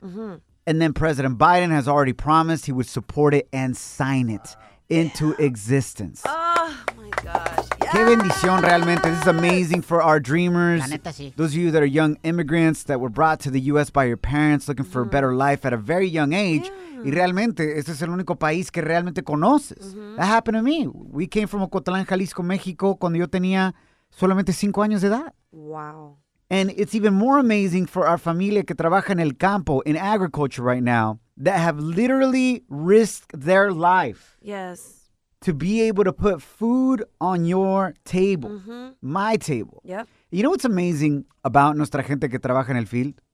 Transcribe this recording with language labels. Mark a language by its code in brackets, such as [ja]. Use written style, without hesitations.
[en] Mm-hmm. And then President Biden has already promised he would support it and sign it into existence. Oh, my gosh. Yes. [es] Qué bendición, realmente. [en] This is amazing for our dreamers. [es] La neta, sí. [en] Those of you that are young immigrants that were brought to the U.S. by your parents looking for a better life at a very young age. Yeah. [es] Y realmente, este es el único país que realmente conoces. Mm-hmm. [en] That happened to me. We came from Ocotlán, Jalisco, México, [es] cuando yo tenía solamente 5 años de edad. [en] Wow. And it's even more amazing for our [es] familia que trabaja en el campo, [en] in agriculture right now, that have literally risked their life. Yes. To be able to put food on your table. Mm-hmm. My table. Yep. You know what's amazing about [es] nuestra gente que trabaja en el [en] field?